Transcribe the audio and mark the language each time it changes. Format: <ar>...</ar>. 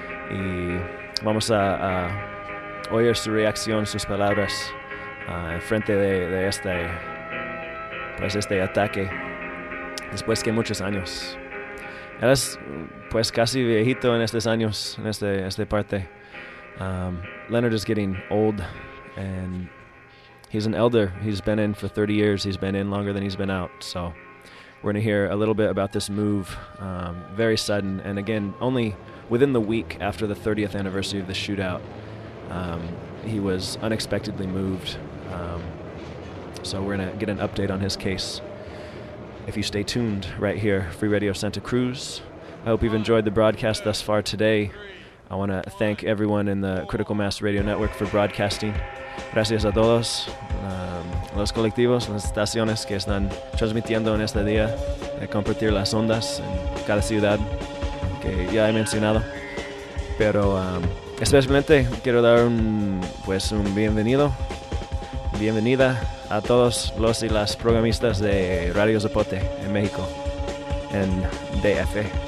<es>Y vamos a oír su reacción, sus palabras en frente de este, pues este ataque, después que muchos años. Eres pues casi viejito en estos años, en este parte.</es> <en>Leonard is getting old, and he's an elder. He's been in for 30 years. He's been in longer than he's been out. So we're going to hear a little bit about this move, very sudden, and again, only within the week after the 30th anniversary of the shootout, he was unexpectedly moved. So we're going to get an update on his case. If you stay tuned right here, Free Radio Santa Cruz. I hope you've enjoyed the broadcast thus far today. I want to thank everyone in the Critical Mass Radio Network for broadcasting.</en> <es>Gracias a todos los colectivos, las estaciones que están transmitiendo en este día, de compartir las ondas en cada ciudad que ya he mencionado. Pero especialmente quiero dar un bienvenido, bienvenida a todos los y las programistas de Radio Zapote en México, en DF.</es>